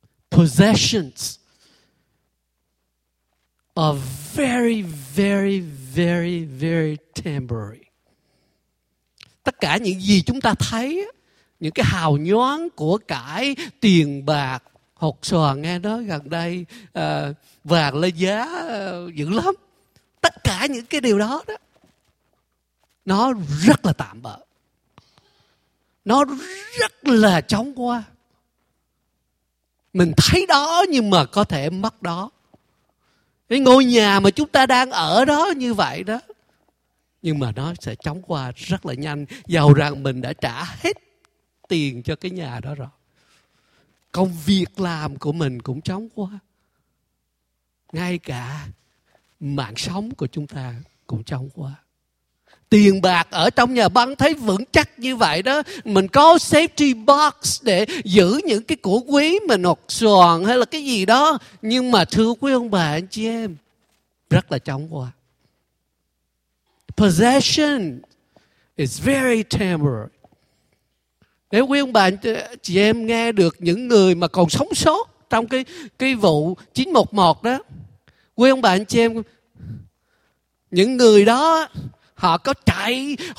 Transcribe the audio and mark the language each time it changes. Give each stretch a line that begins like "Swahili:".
English: Possessions are very, very, very, very temporary.
Vietnamese: Tất cả những gì chúng ta thấy, những cái hào nhoáng của cải, tiền bạc, hột xoàn, nghe nói gần đây vàng lên giá dữ lắm. Tất cả những cái điều đó đó, nó rất là tạm bợ. Nó rất là chóng qua. Mình thấy đó nhưng mà có thể mất đó. Cái ngôi nhà mà chúng ta đang ở đó như vậy đó, nhưng mà nó sẽ chóng qua rất là nhanh, dầu rằng mình đã trả hết tiền cho cái nhà đó rồi. Công việc làm của mình cũng chóng qua. Ngay cả mạng sống của chúng ta cũng chóng qua. Tiền bạc ở trong nhà băng thấy vững chắc như vậy đó, mình có safety box để giữ những cái của quý mình, nọc xoàn hay là cái gì đó, nhưng mà thưa quý ông bà anh chị em, rất là chóng qua.
English: Possession is very temporary.
Vietnamese: Nếu quý ông bà chị em nghe được những người mà còn sống sót trong cái vụ 911 đó, quý ông bà anh chị em, những người đó họ có chạy